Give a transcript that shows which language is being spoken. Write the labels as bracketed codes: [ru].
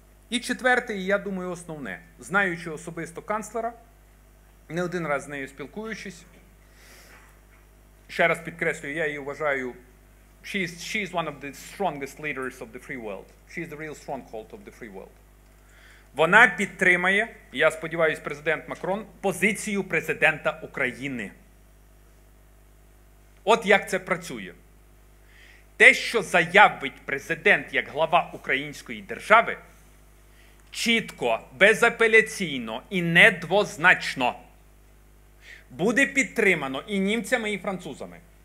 [uk] І четверте, і я думаю основне. Знаючи особисто канцлера, не один раз з нею спілкуючись, ще раз підкреслюю, я її вважаю, [en] she is one of the strongest leaders of the free world. She is the real stronghold of the free world. [uk] Вона підтримає, я сподіваюся, президент Макрон, позицію президента України. От як це працює. Те, що заявить президент як глава української держави, чітко, безапеляційно і недвозначно буде підтримано і німцями, і французами.